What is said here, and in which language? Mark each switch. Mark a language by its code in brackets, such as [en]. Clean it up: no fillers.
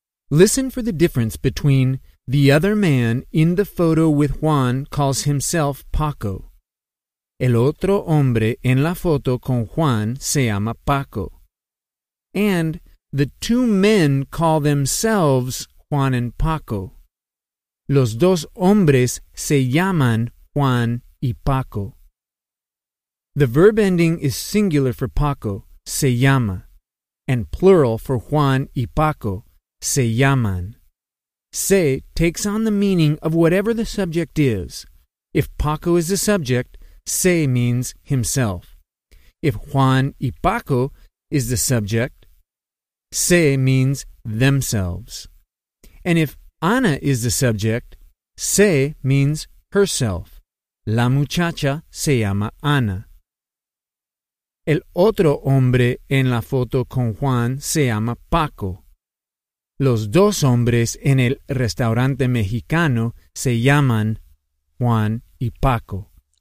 [en] Listen for the difference between the other man in the photo with Juan calls himself Paco. [es] El otro hombre en la foto con Juan se llama Paco. [en] And the two men call themselves Juan and Paco. [es] Los dos hombres se llaman Juan y Paco. [en] The verb ending is singular for Paco, se llama, and plural for Juan y Paco, se llaman. Se takes on the meaning of whatever the subject is. If Paco is the subject, se means himself. If Juan y Paco is the subject, se means themselves. And if Ana is the subject, se means herself. [es] La muchacha se llama Ana. El otro hombre en la foto con Juan se llama Paco. Los dos hombres en el restaurante mexicano se llaman Juan y Paco.